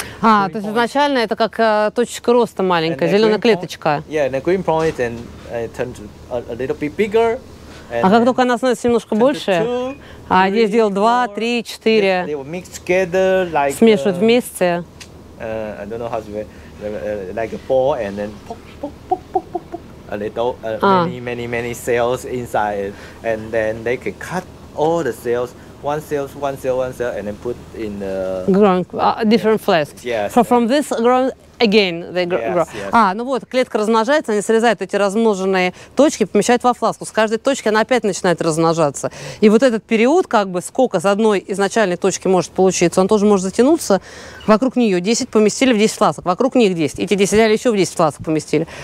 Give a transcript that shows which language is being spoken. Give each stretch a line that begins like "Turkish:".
Russian: А, то есть изначально это как точечка роста маленькая, зеленая клеточка.
English: Yeah, and a green point, and it turns a little bit bigger.
Russian: А как только она становится немножко больше, а я сделал 2, 3, 4.
English: They were mixed together like.
Russian: Смешивают вместе.
English: I don't know how to say. Like a ball, and then a little, many cells inside, and then they can cut all the cells, one cell, and then put in the growing different flasks. Yes. So from this growing again they grow. Yes, yes.
Russian: А, ну вот, клетка размножается, они срезают эти размноженные точки, помещают во фласку. С каждой точки она опять начинает размножаться. И вот этот период, как бы, сколько с одной изначальной точки может получиться, он тоже может затянуться. Вокруг нее 10 поместили в 10 фласок, вокруг них 10. Эти 10 взяли еще в 10 фласок поместили.